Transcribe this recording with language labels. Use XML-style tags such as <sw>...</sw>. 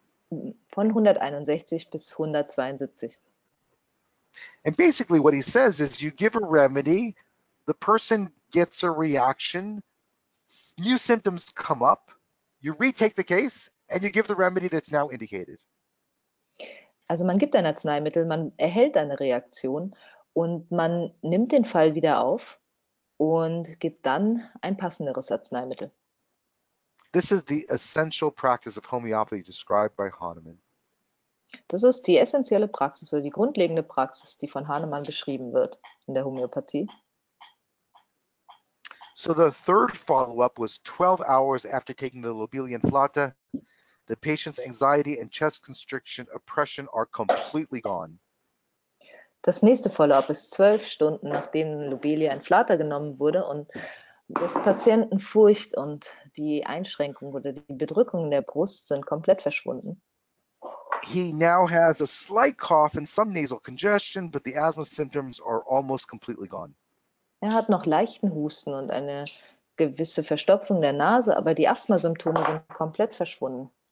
<de>Von 161 bis 172.</de> <en>And basically what he says is you give a remedy, the person gets a reaction, new symptoms come up, you retake the case and you give the remedy that's now indicated.</en> <de>Also man gibt ein Arzneimittel, man erhält eine Reaktion und man nimmt den Fall wieder auf und gibt dann ein passenderes Arzneimittel.</de> <en>This is the essential practice of homeopathy described by Hahnemann.</en> <de>Das ist die essentielle Praxis oder die grundlegende Praxis, die von Hahnemann beschrieben wird in der Homöopathie.</de> <en>So the third follow-up was 12 hours after taking the lobelia inflata. The patient's anxiety and chest constriction oppression are completely gone.</en> <de>Das nächste Follow-up ist 12 Stunden, nachdem Lobelia inflata genommen wurde und das Patientenfurcht und die Einschränkung oder die Bedrückung in der Brust sind komplett verschwunden.</de> <en>He now has a slight cough and some nasal congestion, but the asthma symptoms are almost completely gone.</en> <de>Er hat noch leichten Husten und eine gewisse Verstopfung der Nase, aber die Asthma-Symptome sind komplett verschwunden.</de>